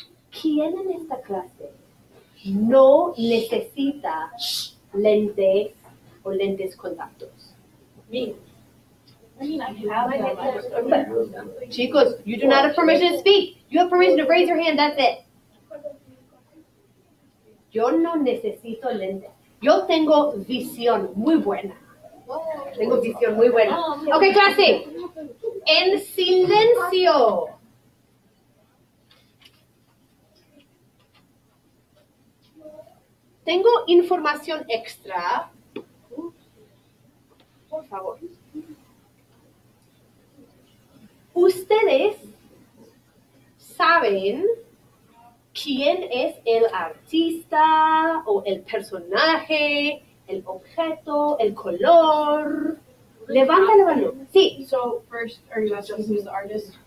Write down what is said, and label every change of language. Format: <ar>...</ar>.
<es>¿Quién en esta clase no necesita lentes o lentes contactos?</es> <en>Me. Chicos, you do not have permission to speak. You have permission to raise your hand, that's it.</en> <es>Yo no necesito lentes. Yo tengo visión muy buena. Tengo visión muy buena. Ok, clase. En silencio. Tengo información extra. Por favor. ¿Ustedes saben quién es el artista o el personaje, el objeto, el color? Levanta la mano. Sí.</es> <en>So, first, are you asking who's the artist?</en>